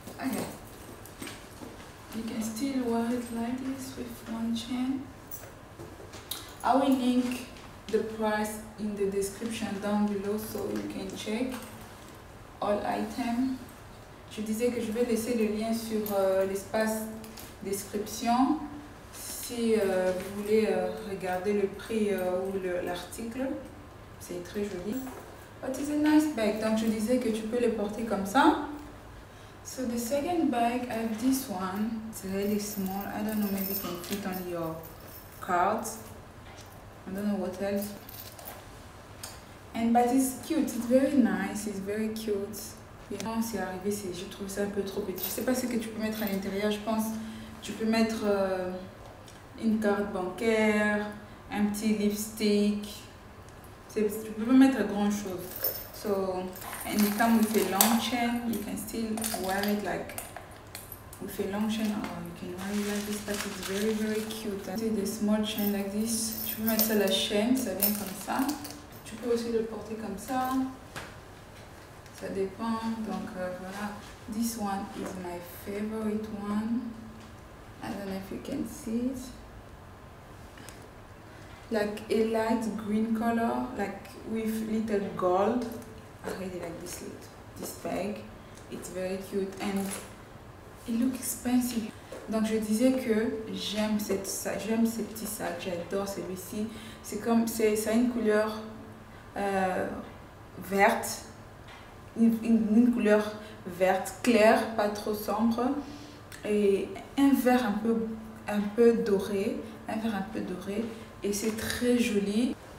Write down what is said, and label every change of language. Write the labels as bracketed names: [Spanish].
[English] Okay, you can still wear it like this with one chain. I will link the price in the description down below so you can check. All item. [French] Je disais que je vais laisser le lien sur l'espace description si vous voulez regarder le prix ou l'article. C'est très joli. [English] But it's a nice bag. [French] Donc je disais que tu peux le porter comme ça. [English] So the second bag, I have this one. It's really small. I don't know, maybe you can fit on your cart. I don't know what else. But it's cute, it's very nice, it's very cute. [French] Et quand c'est arrivé, je trouve ça un peu trop petit. Je sais pas ce que tu peux mettre à l'intérieur, je pense. Tu peux mettre une carte bancaire, un petit lipstick. Tu peux pas mettre grand chose. [English] So, and it comes with a long chain, you can still wear it like with a long chain, or you can wear it like this, but it's very, very cute. And see the small chain like this, [French] tu peux mettre ça à la chaîne, ça vient comme ça. Tu peux aussi le porter comme ça, ça dépend, donc voilà. [English] This one is my favorite one, I don't know if you can see it. Like a light green color, like with little gold. I really like this this bag, it's very cute and it looks expensive. [French] Donc je disais que j'aime ces petits sacs, j'adore celui-ci. C'est comme, c'est ça, une couleur verte, une couleur verte claire, pas trop sombre, et un vert un peu doré, un vert un peu doré, et c'est très joli.